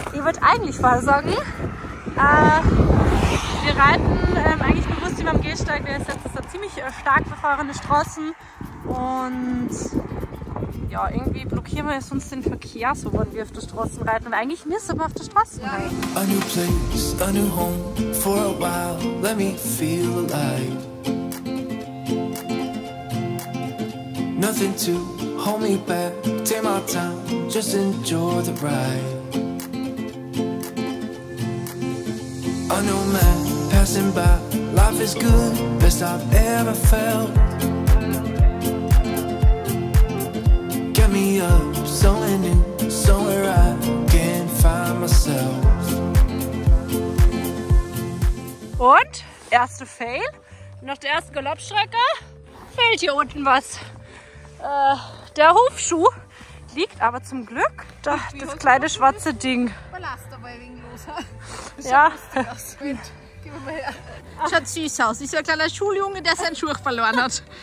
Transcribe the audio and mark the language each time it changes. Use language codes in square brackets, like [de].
[de] Ich würde eigentlich mal sagen, wir reiten eigentlich bewusst über dem Gehsteig, der ist jetzt eine ziemlich stark befahrene Straße und ja, irgendwie blockieren wir sonst den Verkehr, so wollen wir auf der Straße reiten, weil eigentlich müssen wir auf der Straße reiten. [en] A new place, a new home, for a while, let me feel alive. Nothing to hold me back, take my time, just enjoy the ride. A new man, passing by, life is good, best I've ever felt. Up, somewhere new, somewhere I can find myself. [de] Und erste Fail. Nach der ersten Galoppstrecke fehlt hier unten was. Der Hufschuh liegt aber zum Glück da, das kleine schwarze Ding. Belast dabei wegen los. Ja. Gib mal her. Schaut süß aus. Ist so ein kleiner Schuljunge, der seinen Schuh verloren hat.